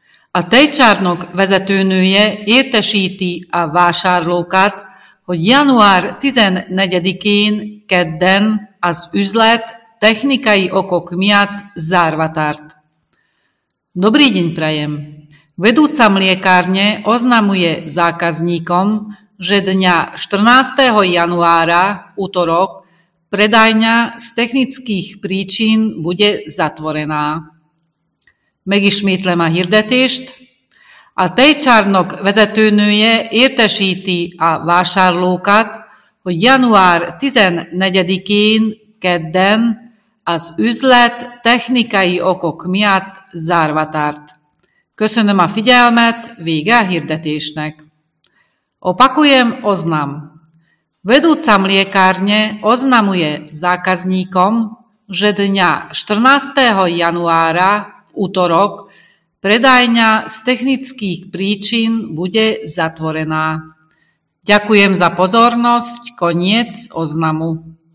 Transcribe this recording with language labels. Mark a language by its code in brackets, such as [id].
[hu] A tejcsárnok vezetőnője értesíti a vásárlókat, hogy január 14-én kedden az üzlet technikai okok miatt zárva tart. [sk] Dobrý deň prajem! Vedúca mliekárne oznamuje zákazníkom, že dňa 14. januára, utorok, predajňa z technických príčin bude zatvorená. [hu] Megismétlem a hirdetést. A tejcsárnok vezetőnője értesíti a vásárlókat, hogy január 14-én kedden az üzlet technikai okok miatt zárva tart. Köszönöm a figyelmet, vége a hirdetésnek. [sk] Opakujem oznam. Vedúca mliekárne oznamuje zákazníkom, že dňa 14. januára utorok, predajňa z technických príčin bude zatvorená. Ďakujem za pozornosť, koniec oznamu.